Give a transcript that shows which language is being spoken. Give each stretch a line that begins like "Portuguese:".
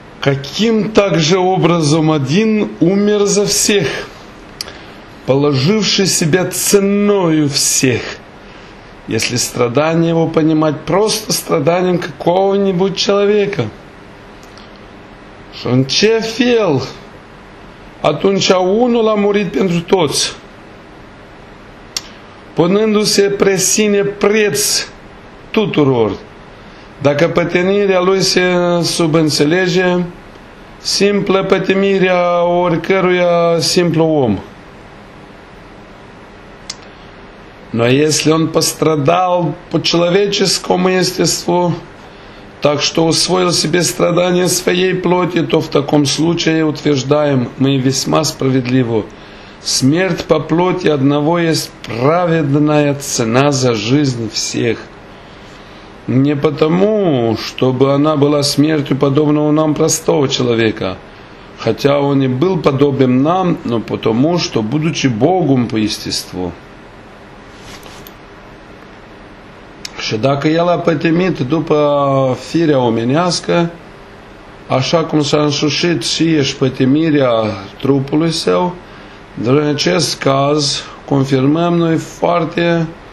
Russian: Каким также образом один умер за всех, положивший себя ценою всех, если страдание его понимать просто страданием какого-нибудь человека? Шон чефел,
Romanian: Atunci unul a murit pentru toți, punându-se pre sine preț tuturor. Dacă pătimirea lui se subînțelege, simplă pătimirea oricăruia simplu om.
Russian: Но если он пострадал по человеческому естеству, так что усвоил себе страдания своей плоти, то в таком случае утверждаем мы весьма справедливо: смерть по плоти одного есть праведная цена за жизнь всех. Не потому, чтобы она была смертью подобного нам простого человека, хотя он и был подобен нам, но потому, что, будучи Богом по естеству,
Romanian: și dacă el a pătimit după firea omenească, așa cum s-a însușit și ești pătimirea trupului său, dar în acest caz confirmăm noi foarte